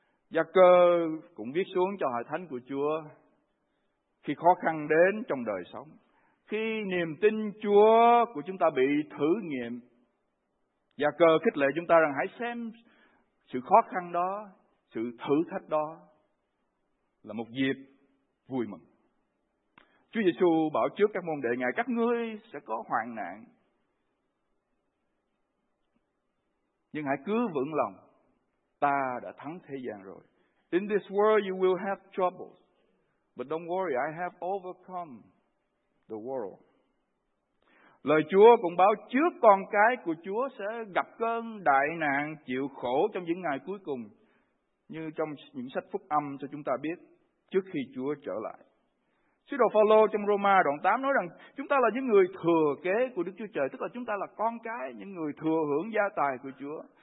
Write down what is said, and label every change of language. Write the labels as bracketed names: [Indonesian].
[Vietnamese] Gia-cơ cũng viết xuống cho hội thánh của Chúa: khi khó khăn đến trong đời sống, khi niềm tin Chúa của chúng ta bị thử nghiệm, Gia-cơ khích lệ chúng ta rằng hãy xem sự khó khăn đó, sự thử thách đó là một dịp vui mừng. Chúa Giê-xu bảo trước các môn đệ Ngài: các ngươi sẽ có hoạn nạn, nhưng hãy cứ vững lòng, ta đã thắng thế gian rồi. [English] In this world you will have troubles, but don't worry, I have overcome the world. [Vietnamese] Lời Chúa cũng báo trước con cái của Chúa sẽ gặp cơn đại nạn, chịu khổ trong những ngày cuối cùng, như trong những sách phúc âm cho chúng ta biết, trước khi Chúa trở lại. Sứ đồ Phao-lô trong Roma đoạn 8 nói rằng chúng ta là những người thừa kế của Đức Chúa Trời, tức là chúng ta là con cái, những người thừa hưởng gia tài của Chúa.